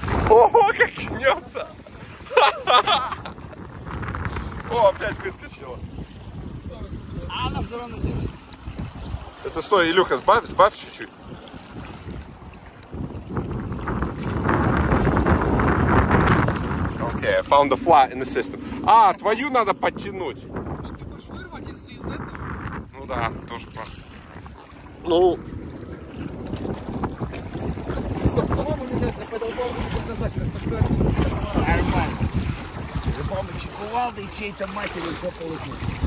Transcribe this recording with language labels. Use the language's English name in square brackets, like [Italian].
[Russian] Ого, как гнется. О, опять выскочила. А она все равно держится. Это стой, Илюха, сбавь, сбавь чуть-чуть. [English] Окей, okay, I found a flaw in the system. [Russian] А, твою надо подтянуть. Ты можешь вырвать из этого? Ну да, тоже правда. Ну. Стоп, по-моему, меня за подолбал, чтобы назначить. Нормально. За помощью кувалды и чьей-то матери все получилось.